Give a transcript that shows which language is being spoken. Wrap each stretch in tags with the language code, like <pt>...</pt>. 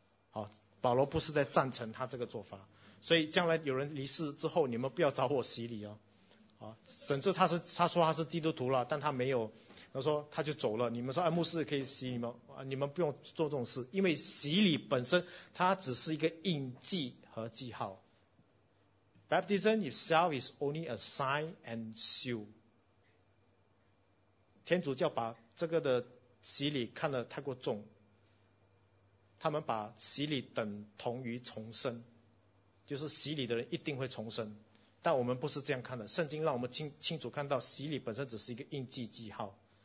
<zh>好，保罗不是在赞成他这个做法，所以将来有人离世之后，你们不要找我洗礼哦。啊，甚至他说他是基督徒了，但他没有，他说他就走了。你们说，哎，牧师可以洗你们，啊，你们不用做这种事，因为洗礼本身它只是一个印记和记号。</zh> <en>Baptism itself is only a sign and seal。</en> <zh>天主教把这个的洗礼看得太过重，他们把洗礼等同于重生，就是洗礼的人一定会重生，但我们不是这样看的。圣经让我们清楚看到，洗礼本身只是一个印记记号。</zh>